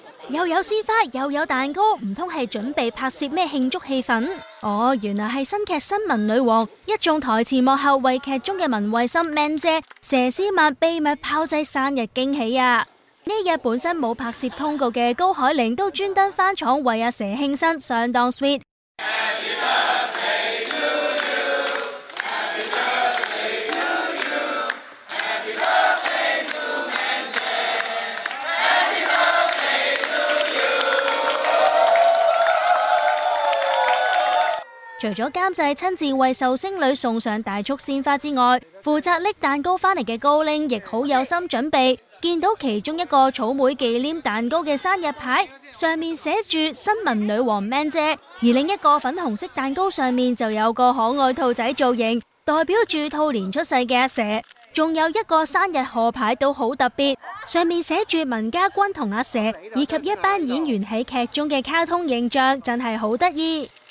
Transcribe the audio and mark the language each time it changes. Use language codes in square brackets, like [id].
[yue] 又有鲜花，又有蛋糕，唔通系准备拍摄咩庆祝气氛？哦，原来是新剧《新闻女王》，一众台前幕后为剧中的文慧心 man 姐佘诗曼秘密炮制生日惊喜啊！呢日本身冇拍摄通告嘅高海玲都专登翻厂为阿佘庆生，相当 sweet。 [en] Happy birthday to you, happy birthday to you, happy birthday to Manchen, happy birthday to you。 [yue] 除咗监制亲自为寿星女送上大束鲜花之外，负责拎蛋糕翻嚟嘅高玲亦好有心准备。见到其中一个草莓忌廉蛋糕的生日牌，上面写着新闻女王 man 姐，而另一个粉红色蛋糕上面就有个可爱兔仔造型，代表住兔年出世的阿佘，还有一个生日贺牌都好特别，上面写着文家军和阿佘，以及一班演员在剧中的卡通形象，真是好得意。